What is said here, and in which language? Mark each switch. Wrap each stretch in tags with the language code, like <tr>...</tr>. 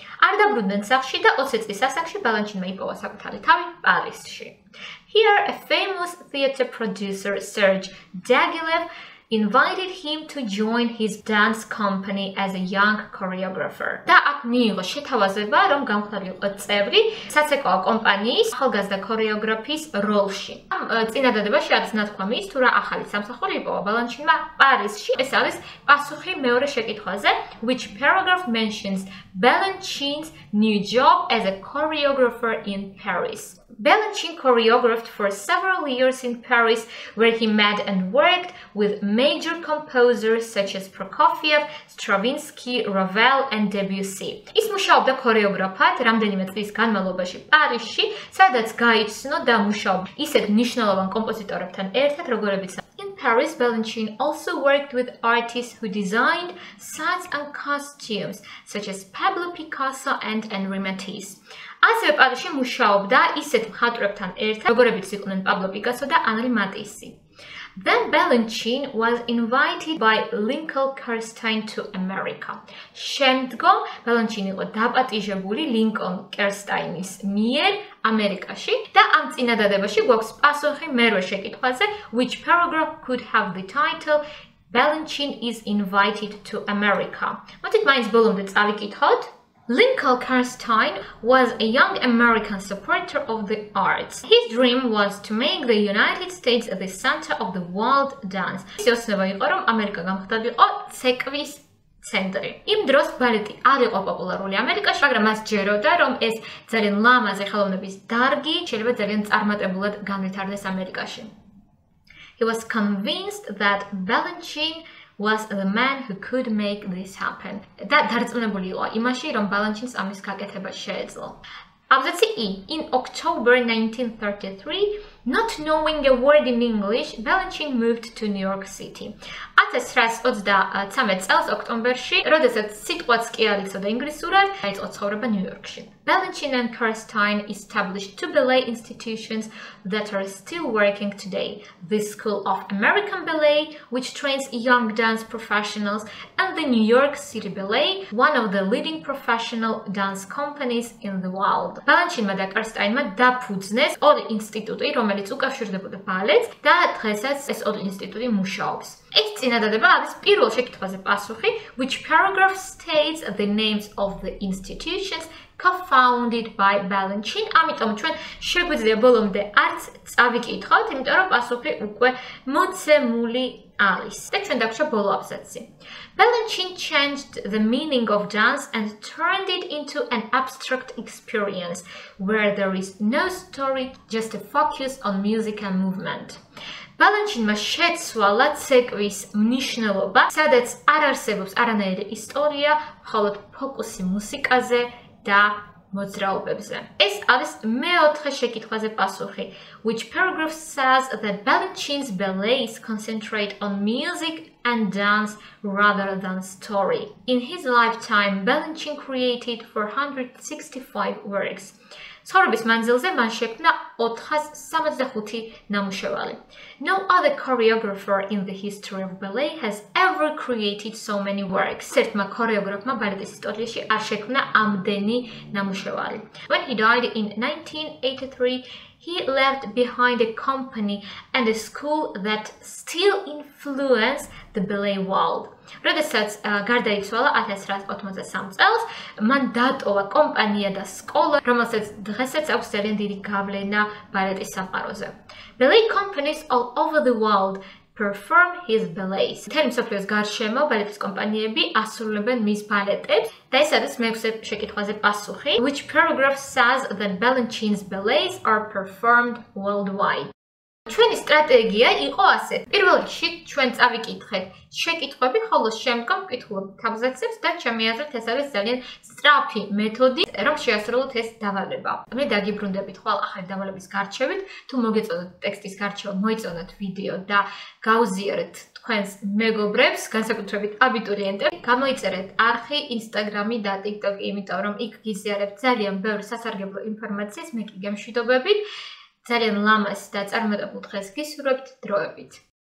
<ka>არ დაბრუნდნენ სახლში და 20 წლის ასაკში ბალანჩინმა იპოვა საკუთარი თავი პარიზში.</ka> <en>Here a famous theater producer Serge Diaghilev invited him to join his dance company as a young choreographer.</en> <ka>და აქ მიიღო შეთავაზება, რომ გამხდარიყო წევრი საცეკვაო კომპანიის ახალგაზრდა ქორეოგრაფის როლში. ამ წინადადებაში არის ნათქვამი ის, თუ რა ახალი სამსახური იპოვა ბალანჩინმა პარიზში. ეს არის პასუხი მეორე შეკითხვაზე,</ka> <en>which paragraph mentions Balanchine's new job as a choreographer in Paris. Balanchine choreographed for several years in Paris where he met and worked with major composers such as Prokofiev, Stravinsky, Ravel and Debussy.</en> <ka>ის მუშაობდა ქორეოგრაფად რამდენიმე წლის განმავლობაში პარიზში, სადაც გაიცნო და მუშაობდა ისეთ მნიშვნელოვან კომპოზიტორებთან ერთად, როგორებიც</ka> <en>In Paris, Balanchine also worked with artists who designed sets and costumes, such as Pablo Picasso and Henri Matisse.</en> <ka>ასევე პარიზში მუშაობდა ისეთ მხატვრებთან ერთად, როგორებიც იყვნენ პაბლო პიკასო და ანრი მატისი.</ka> <en>Then Balanchine was invited by Lincoln Kirstein to America.</en> <ka>შემდგომ ბალანჩინი იყო დაპატიჟებული ლინკონ კერსტაინის მიერ ამერიკაში და ამ წინადადებაში გვაქვს პასუხი მერვე შეკითხვაზე,</ka> <en>which paragraph could have the title Balanchine is invited to America. What it means</en> <ka>ბოლომდე წავიკითხოთ.</ka> <en>Lincoln Kirstein was a young American supporter of the arts. His dream was to make the United States the center of the world dance.</en> <ka>ის ოცნება იყო, რომ ამერიკა გამხდარიყო ცეკვის ცენტრი. იმ დროს ბალეტი არ იყო პოპულარული ამერიკაში, მაგრამ მას ჯეროდა, რომ ეს ძალიან ლამაზი ხელოვნების დარგი შეიძლება ძალიან წარმატებულად განვითარდეს ამერიკაში.</ka> <en>He was convinced that Balanchine was the man who could make this happen.</en> <ka>და დარწმუნებული იყო იმაში, რომ ბალანჩინს ამის გაკეთება შეეძლო. აბზაცი E.</ka> <en>In October 1933, not knowing a word in English, Balanchine moved to New York City.</en> <ka>1923 წელს ოქტომბერში, როდესაც სიტყვაც კი არ იცოდა ინგლისურად, დაიწყო ცხოვრება ნიუ-იორკში.</ka> <en>Balanchine and Karstein established two ballet institutions that are still working today. The School of American Ballet, which trains young dance professionals, and the New York City Ballet, one of the leading professional dance companies in the world.</en> <ka>Balanchine და Karstein-მა დაფუძნეს ორი ინსტიტუტი, რომელიც უკავშირდებოდა ბალეტს და დღესაც ეს ორი ინსტიტუტი მუშაობს. ეს წინადადება არის პირველ შეკითხვაზე პასუხი,</ka> <en>which paragraph states the names of the institutions co-founded by Balanchine.</en> <ka>ამიტომ ჩვენ შეგვიძლია ბოლომდე არც წავიკითხოთ, იმიტომ რომ პასუხი უკვე მოცემული არის. და ჩვენ დაგვრჩა ბოლო აბზაცი.</ka> <en>Balanchine changed the meaning of dance and turned it into an abstract experience where there is no story, just a focus on music and movement.</en> <ka>Balanchine-მა შეცვალა ცეკვის მნიშვნელობა, სადაც არ არსებობს არანაირი ისტორია, მხოლოდ ფოკუსი მუსიკაზე და მოძრაობებზე. ეს არის მეოთხე შეკითხვაზე პასუხი.</ka> <en>Which paragraph says that Balanchine's ballets concentrate on music and dance rather than story. In his lifetime, Balanchine created 465 works.</en> <ka>ცხოვრების მანძილზე მან შექმნა 465 ნამუშევარი.</ka> <en>No other choreographer in the history of ballet has ever created so many works.</en> <ka>ერთმა ქორეოგრაფმა ბალეტის ისტორიაში არ შექმნა ამდენი ნამუშევარი.</ka> <en>When he died in 1983, he left behind a company and a school that still influence the ballet world.</en> <ka>როდესაც გარდაიცვალა 1983 წელს, მან დატოვა კომპანია და სკოლა, რომელსაც დღესაც აქვს ძალიან დიდი გავლენა ბალეტის სამყაროზე.</ka> <en>Ballet companies all over the world perform his ballets. Terms of his garchemo ballet companies</en> <ka>ასრულებენ მის ბალეტებს. და ეს არის მეექვსე შეკითხვაზე პასუხი.</ka> <en>Which paragraph says that Balanchine's ballets are performed worldwide?</en> <ka>ჩვენი სტრატეგია იყო ასეთი. პირველ რიგში ჩვენ წავიკითხეთ შეკითხვები, ხოლო შემდგომ ვკითხულობთ აბზაცებს და ჩემი აზრით ეს არის ძალიან სწრაფი მეთოდი, რომ შეასრულოთ ეს დავალება. მე დაგიბრუნდებით ხოლ ახალი დავალების გარჩევით, თუ მოგეწონათ ტექსტის გარჩევა, მოიწონეთ ვიდეო და გავზიარეთ თქვენს მეგობრებს, განსაკუთრებით აბიტურიენტებს, გამოიწერეთ არხი, ინსტაგრამი და TikTok-ი, იმიტომ რომ იქ გიზიარებთ ძალიან ბევრ სასარგებლო ინფორმაციას, მე კი გემშვიდობებით. ძალიან ლამაზ და წარმატებულ დღეს გისურვებთ დროებით.</ka>